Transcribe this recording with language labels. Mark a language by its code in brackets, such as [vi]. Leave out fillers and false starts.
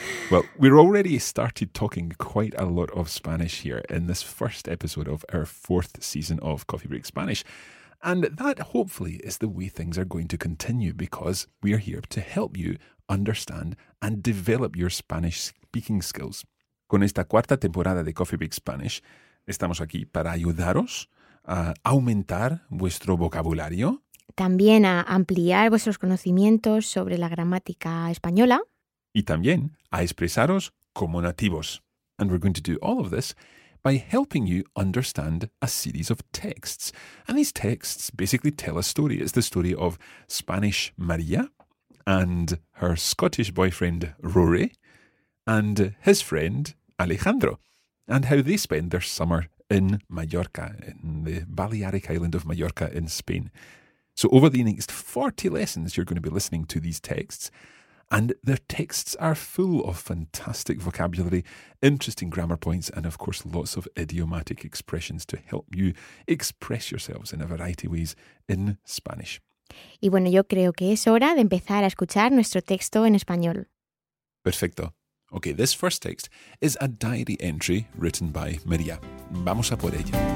[en] Well, we're already started talking quite a lot of Spanish here in this first episode of our fourth season of Coffee Break Spanish. And that, hopefully, is the way things are going to continue because we are here to help you understand and develop your Spanish speaking skills. [es] Con esta cuarta temporada de Coffee Break Spanish, estamos aquí para ayudaros a aumentar vuestro vocabulario. También a ampliar vuestros conocimientos sobre la gramática española. Y también a expresaros como nativos. [en] And we're going to do all of this by helping you understand a series of texts. And these texts basically tell a story. It's the story of Spanish Maria and her Scottish boyfriend Rory and his friend Alejandro and how they spend their summer in Mallorca, in the Balearic island of Mallorca in Spain. So over the next 40 lessons, you're going to be listening to these texts. And the texts are full of fantastic vocabulary, interesting grammar points, and of course, lots of idiomatic expressions to help you express yourselves in a variety of ways in Spanish. [es] Y bueno, yo creo que es hora de empezar a escuchar nuestro texto en español. Perfecto. [en] Okay, this first text is a diary entry written by María. [es] Vamos a por ella.